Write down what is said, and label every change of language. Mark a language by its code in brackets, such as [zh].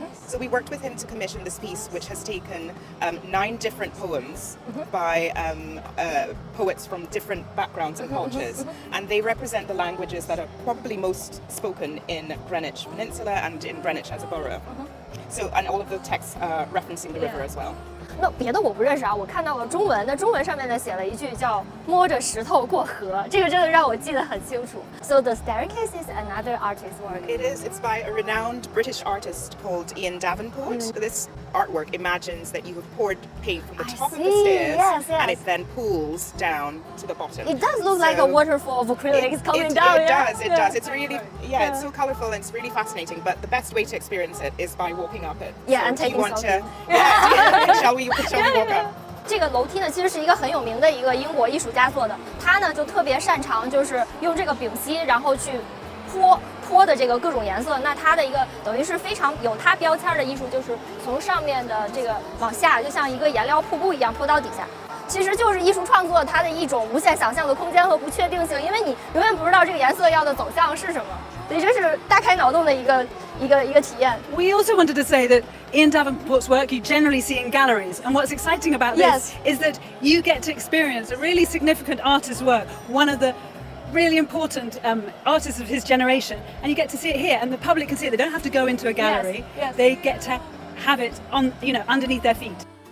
[en] So we worked with him to commission this piece, which has taken nine different poems by poets from different backgrounds and cultures. And they represent the languages that are probably most spoken in Greenwich Peninsula and in Greenwich as a borough. So, and all of the texts referencing the river as well. [zh] 那别的我不认识啊，我看到了中文，那中文上面呢写了一句叫摸着石头过河，这个真的让我记得很清楚。 [en] So the staircase is another artist's work. It is. It's by a renowned British artist called Ian Davenport. This artwork imagines that you have poured paint from the top of the stairs and it then pools down to the bottom. It does look like a waterfall of acrylic is coming down. It does. It's really, it's so colorful and it's really fascinating, but the best way to experience it is by walking up it. Yeah, so and taking selfies. Shall we walk up? [zh] 这个楼梯呢其实是一个很有名的一个英国艺术家做的，他呢就特别擅长就是用这个丙烯然后去泼的这个各种颜色，那他的一个等于是非常有他标签的艺术，就是从上面的这个往下，就像一个颜料瀑布一样泼到底下，其实就是艺术创作它的一种无限想象的空间和不确定性，因为你永远不知道这个颜色要的走向是什么，所以这是大开脑洞的一个体验。 [en] We also wanted to say that Ian Davenport's work you generally see in galleries. And what's exciting about this is that you get to experience a really significant artist's work, one of the really important artists of his generation, and you get to see it here, and the public can see it. They don't have to go into a gallery. Yes. They get to have it on, you know, underneath their feet.